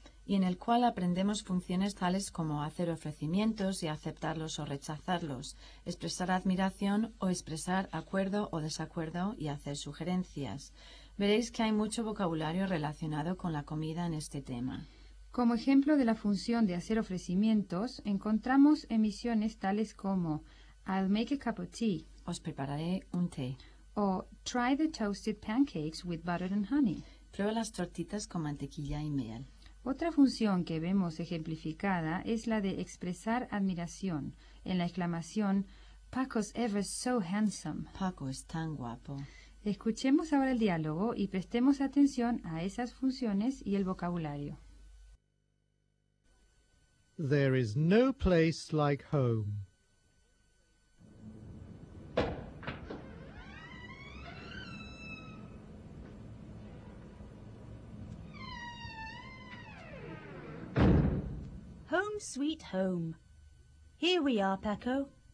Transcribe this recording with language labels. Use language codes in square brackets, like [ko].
[es] Y en el cual aprendemos funciones tales como hacer ofrecimientos y aceptarlos o rechazarlos, expresar admiración o expresar acuerdo o desacuerdo y hacer sugerencias. Veréis que hay mucho vocabulario relacionado con la comida en este tema. Como ejemplo de la función de hacer ofrecimientos, encontramos emisiones tales como [en] I'll make a cup of tea. [es] Os prepararé un té. [en] O try the toasted pancakes with butter and honey. [es] Prueba las tortitas con mantequilla y miel. Otra función que vemos ejemplificada es la de expresar admiración en la exclamación [en] Paco's ever so handsome. [es] Paco es tan guapo. Escuchemos ahora el diálogo y prestemos atención a esas funciones y el vocabulario. [en] There is no place like home. Home sweet home. Here we are, Paco.